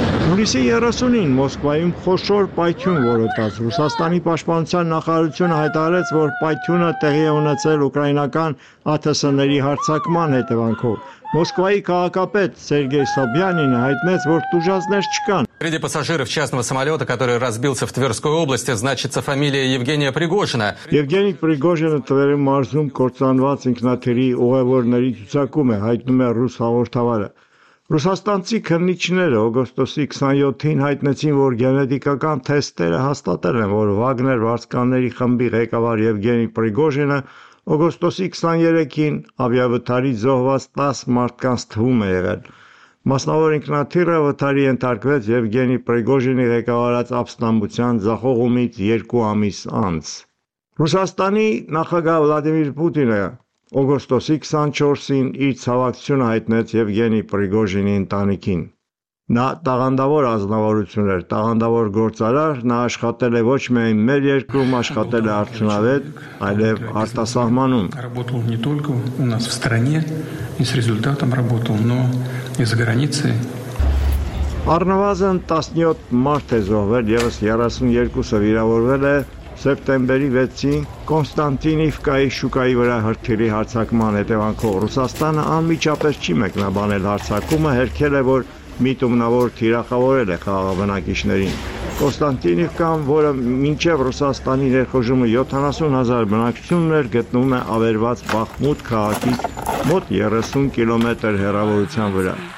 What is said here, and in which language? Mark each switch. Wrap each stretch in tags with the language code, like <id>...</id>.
<hy>Հունիսի 30-ին Մոսկվայում խոշոր պայթյուն որոտաց։ Ռուսաստանի պաշտպանության նախարարությունը հայտարարեց, որ պայթյունը տեղի է ունեցել ուկրաինական ԱԹՍ-ների հարցակման հետևանքով։ Մոսկվայի քաղաքապետ Սերգեյ Սոբյանինը հայտնեց, որ տուժածներ չկան։</hy> <ru>Среди пассажиров частного самолета, который разбился в Тверской области, значится фамилия Евгения Пригожина.</ru> <hy>Евгений Пригожин Тверской марзум կործանված ինքնաթիրի ուղևորների ցուցակում է, հայտնում է ռուս հաղորդավարը։ Ռուսաստանցի քննիչները օգոստոսի 27-ին հայտնեցին, որ գենետիկական թեստերը հաստատել են, որ Վագներ վարձկանների խմբի ղեկավար Եվգենի Պրիգոժինը օգոստոսի 23-ին ավիավթարից զոհված 10 մարդկանց թվում է եղել։ Մասնավոր ինքնաթիռը վթարի ենթարկվեց Եվգենի Պրիգոժինի ղեկավարած ապստամբության ձախողումից 2 ամիս անց։ Ռուսաստանի նախագահ Վլադիմիր Պուտինը օգոստոսի 24-ին իր ցավակցությունը հայտնեց Եվգենի Պրիգոժինի ընտանիքին։ Նա տաղանդավոր ազնվարություն էր, տաղանդավոր գործարար, նա աշխատել է ոչ միայն մեր երկրում, աշխատել է արդյունավետ, այլև արտասահմանում։</hy> <ru>Работал не только у нас в стране, и с результатом работал, но и за границей.</ru> <hy>Առնվազն 17 մարտ է զոհվել, եւս 32-ը վիրավորվել է սեպտեմբերի 6-ին Կոնստանտինիվկայի շուկայի վրա հրթիռի հարձակման հետևանքով։ Ռուսաստանը անմիջապես չի մեկնաբանել հարձակումը, հերքել է, որ միտումնավոր թիրախավորել է խաղաբնակիչներին։ Կոնստանտինիվկան, որը մինչև Ռուսաստանի ներխուժումը 70,000 բնակչություններ, գտնվում է ավերված Բախմուտ քաղաքից մոտ 30 կիլոմետր հեռավորության վրա։</hy>